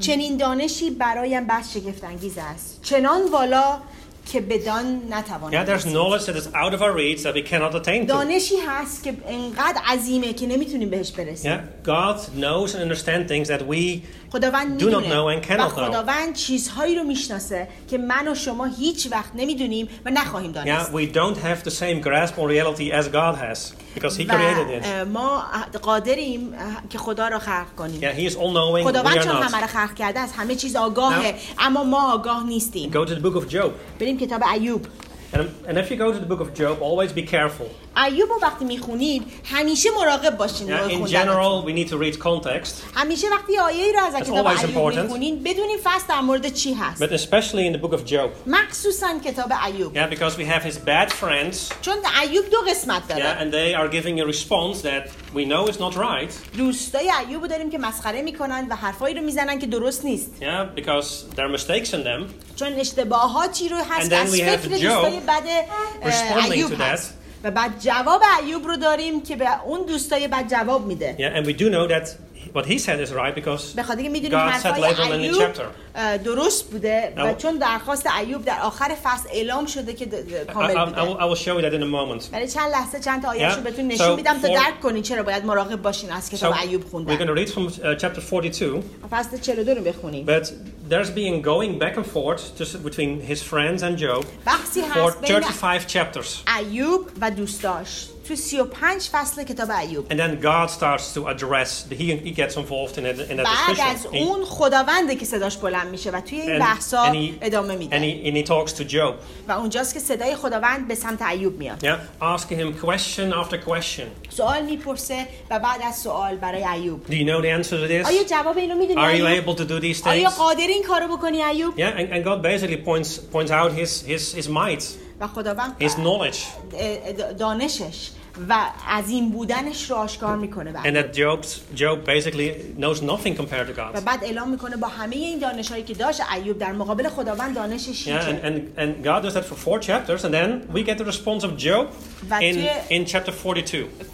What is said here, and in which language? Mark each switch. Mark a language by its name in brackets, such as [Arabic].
[Persian] چنین دانشی برایم بس شگفت انگیز است. چنان والا که بدان نتوانم. [English] Yeah, there's knowledge that is out of our reach that we cannot attain. [Persian] دانشی هست که انقدر عظیمه که نمیتونیم بهش برسیم. [English] Yeah, God knows and understands things that we do not know and cannot know. [Persian] خداوند چیزهایی رو میشناسه که من و شما هیچ وقت نمیدونیم و نخواهیم دانست. [English] Yeah, we don't have the same grasp on reality as God has because he created it. [Persian] ما قادریم که خدا رو خلق کنیم. [English] Yeah, he is all knowing. [Persian] خداوند چون همه رو خلق کرده از همه چیز آگاهه، اما ما آگاه نیستیم. [English] Go to the book of Job. [Persian] بریم کتاب ایوب. [English] And if you go to the book of Job, always be careful. [Persian] ایوب رو وقتی میخونید همیشه مراقب باشین. [English] In general, we need to read context. [Persian] همیشه وقتی آیه‌ای رو از کتاب ایوب میخونین بدونین فصل در مورد چی هست. [English] But especially in the book of Job. [Persian] مخصوصاً کتاب ایوب. [English] Yeah, because we have his bad friends. [Persian] چون ایوب دو قسمت داره. [English] Yeah, and they are giving a response that we know is not right. [Persian] دوستای ایوب داریم که مسخره میکنن و حرفایی رو میزنن که درست نیست. [English] Yeah, because there are mistakes in them. [Persian] چون اشتباهاتی رو هست. [English] And then we have Job responding to that. [Persian] و بعد جواب ایوب رو داریم که به اون دوستای بعد جواب میده. [English] Yeah, and we do know that what he said is right because God said later in the chapter. [Persian] درست بوده و چون درخواست ایوب در آخر فصل اعلام شده که کامل بوده. [English] I will show you that in a moment. [Persian] ولی چند لحظه چند تا آیه رو بهتون نشون میدم تا درک کنید چرا باید مراقب باشین از کتاب ایوب خوندن. [English] We're going to read from chapter 42. [Persian] فصل 42 رو بخونیم. [English] But there's been going back and forth just between his friends and Job for 35 chapters. [Persian] ایوب و دوستاش تو 35 فصل کتاب ایوب. [English] And then God starts to address he gets involved in it in that discussion. [Persian] بعد از اون خداونده که صداش بلند میشه و توی این بحثا ادامه میده. [English] And he talks to Job. [Persian] و اونجاست که صدای خداوند به سمت ایوب میاد. [English] Yeah, asking him question after question. [Persian] سوال میپرسه و بعد از سوال برای ایوب. [English] Do you know the answer to this? [Persian] آیا جواب اینو میدونی؟ [English] Are you able to do these things? [Persian] آیا قادر این کارو بکنی ایوب؟ [English] Yeah, and God basically points out his might. [Persian] و خداوند [English] his knowledge [Persian] دانشش و عظیم بودنش رو آشکار میکنه بعد. [English] And that Job basically knows nothing compared to God. [Persian] و بعد اعلام میکنه با همه این دانشایی که داشت ایوب در مقابل خداوند دانشش هیچه. [English] Yeah, and God does that for 4 chapters and then we get the response of Job in chapter 42.